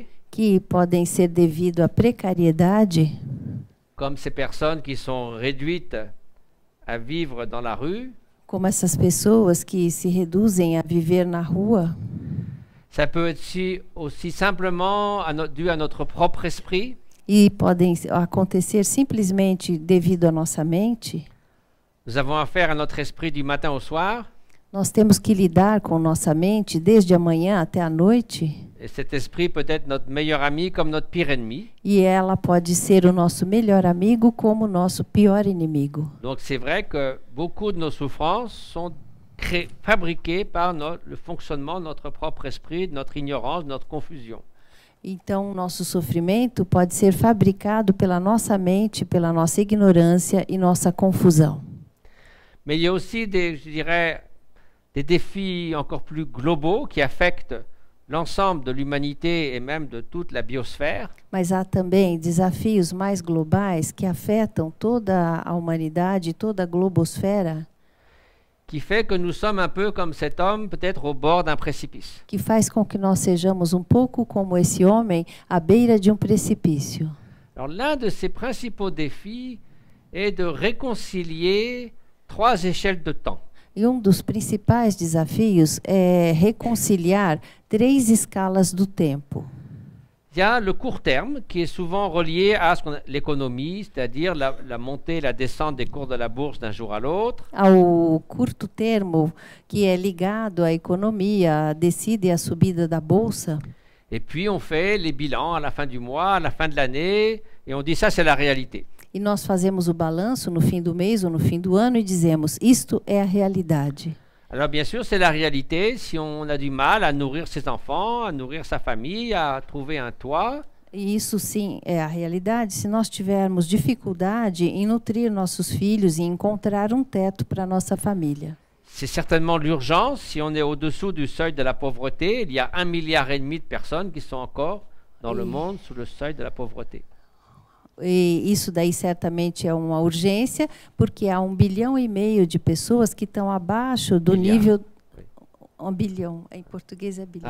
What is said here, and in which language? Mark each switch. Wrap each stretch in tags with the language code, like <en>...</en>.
<pt>que podem ser devido à precariedade, como essas pessoas que são reduzidas a viver na rua, como essas pessoas que se reduzem a viver na rua.</pt> <fr>Ça peut être aussi simplement dû à notre propre esprit.</fr> <pt>E podem acontecer simplesmente devido à nossa mente.</pt> <fr>Nous avons affaire à notre esprit du matin au soir.</fr> <pt>Nós temos que lidar com nossa mente desde amanhã até a noite.</pt> <fr>Cet esprit peut être notre meilleur ami comme notre pire ennemi.</fr> <pt>E ela pode ser o nosso melhor amigo como o nosso pior inimigo.</pt> <fr>Donc c'est vrai que beaucoup de nos souffrances sont fabriquées par le fonctionnement de notre propre esprit, de notre ignorance, de notre confusion.</fr> <pt>Então o nosso sofrimento pode ser fabricado pela nossa mente, pela nossa ignorância e nossa confusão.</pt> <fr>Mais il y a aussi des défis encore plus globaux qui affectent l'ensemble de l'humanité et même de toute la biosphère.</fr> <pt>Mas há também desafios mais globais que afetam toda a humanidade, toda a globosfera.</pt> <fr>Qui fait que nous sommes un peu comme cet homme peut-être au bord d'un précipice.</fr> <pt>Que faz com que nós sejamos um pouco como esse homem à beira de precipício.</pt> <fr>Alors l'un de ses principaux défis est de réconcilier trois échelles de temps.</fr> <pt>E um dos principais desafios é reconciliar três escalas do tempo.</pt> <fr>Il y a le court terme qui est souvent relié à ce qu'on appelle l'économie, c'est-à-dire la montée et la descente des cours de la bourse d'un jour à l'autre.</fr> <pt>Ao curto termo que é ligado à economia, à descida e à subida da bolsa.</pt> <fr>Et puis on fait les bilans à la fin du mois, à la fin de l'année et on dit ça c'est la réalité.</fr> <pt>E nós fazemos o balanço no fim do mês ou no fim do ano e dizemos, isto é a realidade.</pt> <fr>Alors, bien sûr, c'est la réalité si on a du mal à nourrir ses enfants, à nourrir sa famille, à trouver un toit.</fr> <pt>E isso sim é a realidade se nós tivermos dificuldade em nutrir nossos filhos e encontrar teto para nossa família.</pt> <fr>C'est certainement l'urgence si on est au-dessous du seuil de la pauvreté, il y a 1,5</fr> <pt>milhão</pt> <fr>de personnes qui sont encore dans le monde sous le seuil de la pauvreté.</fr> <pt>E isso daí certamente é uma urgência, porque há 1,5 bilhão de pessoas que estão abaixo do nível... Um bilhão, em português é bilhão.</pt>